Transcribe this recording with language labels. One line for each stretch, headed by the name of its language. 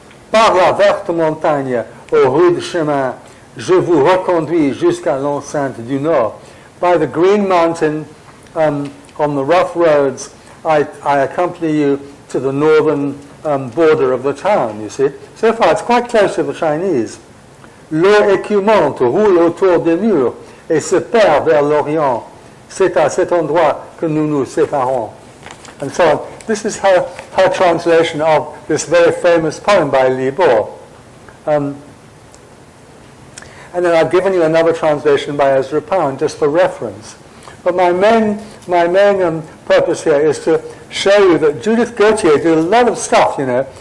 French: Par la verte montagne, au rude chemin, je vous reconduis jusqu'à l'enceinte du Nord.
English: By the green mountain, on the rough roads, I accompany you to the northern border of the town, you see. So far, it's quite close to the Chinese.
French: L'eau écumante roule autour des murs et se perd vers l'Orient. C'est à cet endroit que nous nous séparons.
English: And so on. This is her translation of this very famous poem by Li Bo. And then I've given you another translation by Ezra Pound, just for reference. But my main purpose here is to show you that Judith Gautier did a lot of stuff, you know.